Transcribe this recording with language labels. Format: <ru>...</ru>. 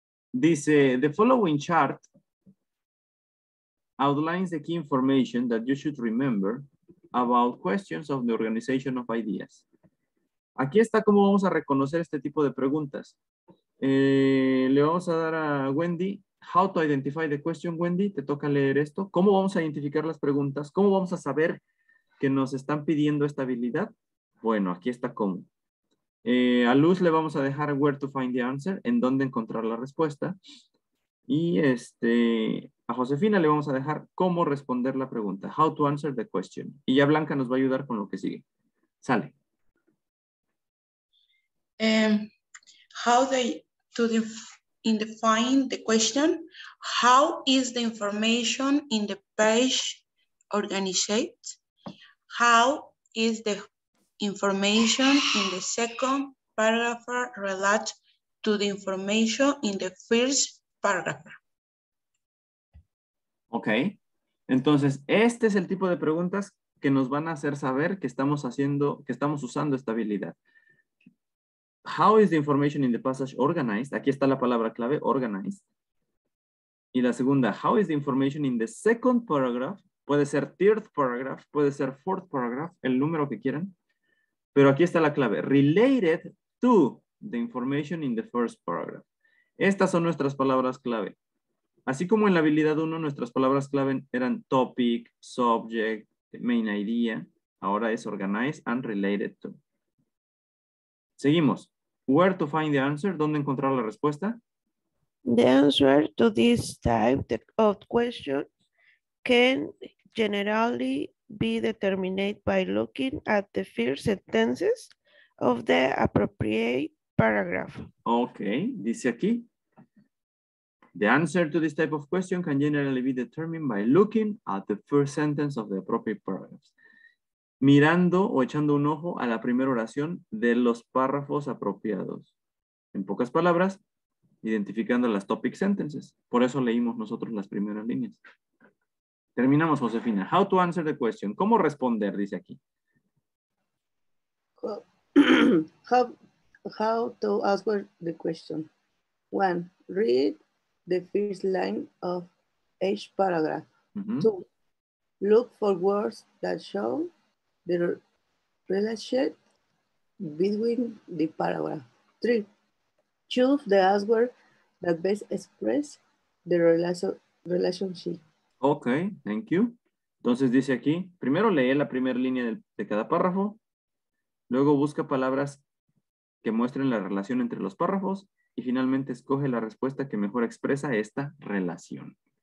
<en>Dice, the following chart outlines the key information that you should remember about questions of the organization of ideas.</en> <es>Aquí está cómo vamos a reconocer este tipo de preguntas. Le vamos a dar a Wendy</es> <en>how to identify the question.</en> <es>Wendy, te toca leer esto. ¿Cómo vamos a identificar las preguntas? ¿Cómo vamos a saber que nos están pidiendo esta habilidad? Bueno, aquí está cómo. A Luz le vamos a dejar</es> <en>where to find the answer,</en> <es>en dónde encontrar la respuesta. Y a Josefina le vamos a dejar cómo responder la pregunta,</es> <en>how to answer the question.</en> <es>Y ya Blanca nos va a ayudar con lo que sigue. Sale.</es> <en>How they to define the question, how is the information in the page organized? How is the information in the second paragraph related to the information in the first paragraph?</en> <es>Okay, entonces este es el tipo de preguntas que nos van a hacer saber que estamos haciendo, que estamos usando esta habilidad.</es> <en>How is the information in the passage organized?</en> <es>Aquí está la palabra clave,</es> <en>organized.</en> <es>Y la segunda,</es> <en>how is the information in the second paragraph?</en> <es>Puede ser third paragraph, puede ser fourth paragraph, el número que quieran. Pero aquí está la clave,</es> <en>related to the information in the first paragraph.</en> <es>Estas son nuestras palabras clave. Así como en la habilidad 1, nuestras palabras clave eran topic, subject, main idea. Ahora es</es> <en>organized and related to.</en> <es>Seguimos.</es> <en>Where to find the answer,</en> <es>¿dónde encontrar la respuesta?</es> <en>The answer to this type of question can generally be determined by looking at the first sentences of the appropriate paragraph.</en> <es>Okay, dice aquí.</es> <en>The answer to this type of question can generally be determined by looking at the first sentence of the appropriate paragraphs.</en> <es>Mirando o echando un ojo a la primera oración de los párrafos apropiados. En pocas palabras, identificando las topic sentences. Por eso leímos nosotros las primeras líneas. Terminamos, Josefina.</es> <en>How to answer the question.</en> <es>¿Cómo responder? Dice aquí.</es> <en>How to answer the question. One, read the first line of each paragraph. Mm-hmm. Two, look for words that show the relationship between the paragraph. Three, choose the answer that best express the relationship. Okay, thank you.</en> <es>Entonces dice aquí, primero lee la primera línea de cada párrafo, luego busca palabras que muestren la relación entre los párrafos, y finalmente escoge la respuesta que mejor expresa esta relación.</es>